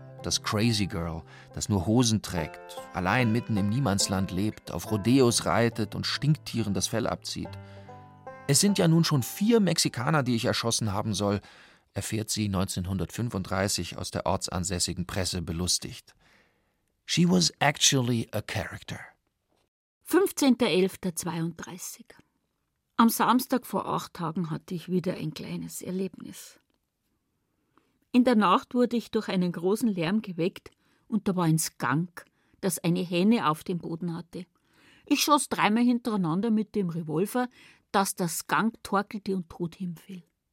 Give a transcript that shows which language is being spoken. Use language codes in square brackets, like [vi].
[de] Das Crazy Girl, das nur Hosen trägt, allein mitten im Niemandsland lebt, auf Rodeos reitet und Stinktieren das Fell abzieht. Es sind ja nun schon 4 Mexikaner, die ich erschossen haben soll, erfährt sie 1935 aus der ortsansässigen Presse belustigt. [en] She was actually a character. 15.11.32. [de] Am Samstag vor 8 Tagen hatte ich wieder ein kleines Erlebnis. In der Nacht wurde ich durch einen großen Lärm geweckt und da war ein Skunk, das eine Henne auf dem Boden hatte. Ich schoss 3-mal hintereinander mit dem Revolver, dass der Skunk torkelte und tot hinfiel.